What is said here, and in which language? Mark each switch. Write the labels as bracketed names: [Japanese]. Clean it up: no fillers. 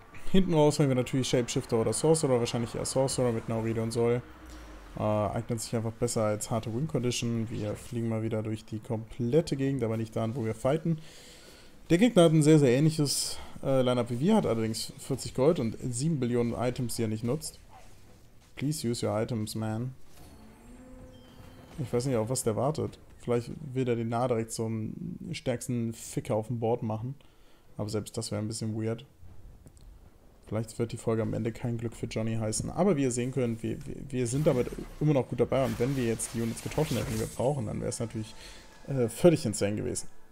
[German] Hinten raus haben wir natürlich Shapeshifter oder Sorcerer, wahrscheinlich eher Sorcerer mit Nauride und Soul. Eignet sich einfach besser als harte Win Condition. Wir fliegen mal wieder durch die komplette Gegend, aber nicht da, wo wir fighten. Der Gegner hat ein sehr, sehr ähnliches Lineup wie wir, hat allerdings 40 Gold und 7 Billionen Items, die er nicht nutzt. [English] Please use your items, man. [German] Ich weiß nicht, auf was der wartet. Vielleicht will er den Nah direkt zum stärksten Ficker auf dem Board machen. Aber selbst das wäre ein bisschen weird. Vielleicht wird die Folge am Ende kein Glück für Johnny heißen. Aber wie ihr sehen könnt, wir sind damit immer noch gut dabei. Und wenn wir jetzt die Units getroffen hätten, die wir brauchen, dann wäre es natürlich völlig insane gewesen.